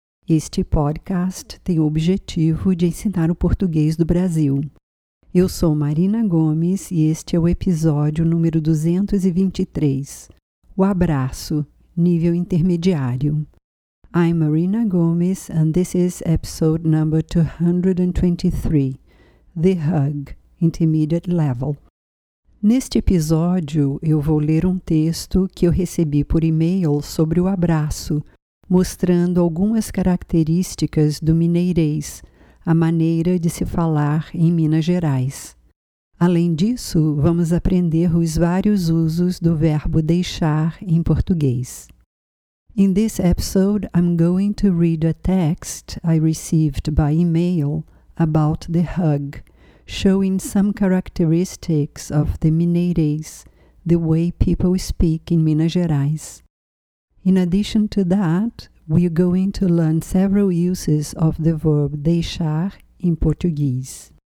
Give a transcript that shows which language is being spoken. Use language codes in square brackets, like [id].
[pt] Este podcast tem o objetivo de ensinar o português do Brasil. Eu sou Marina Gomes e este é o episódio número 223. O abraço, nível intermediário. [en] I'm Marina Gomes and this is episode number 223. The Hug. Intermediate Level. [pt] Neste episódio, eu vou ler um texto que eu recebi por e-mail sobre o abraço, mostrando algumas características do mineirês, a maneira de se falar em Minas Gerais. Além disso, vamos aprender os vários usos do verbo deixar em português. [en] In this episode, I'm going to read a text I received by email about the hug, showing some characteristics of the mineirês, the way people speak in Minas Gerais. In addition to that, we're going to learn several uses of the verb deixar in Portuguese.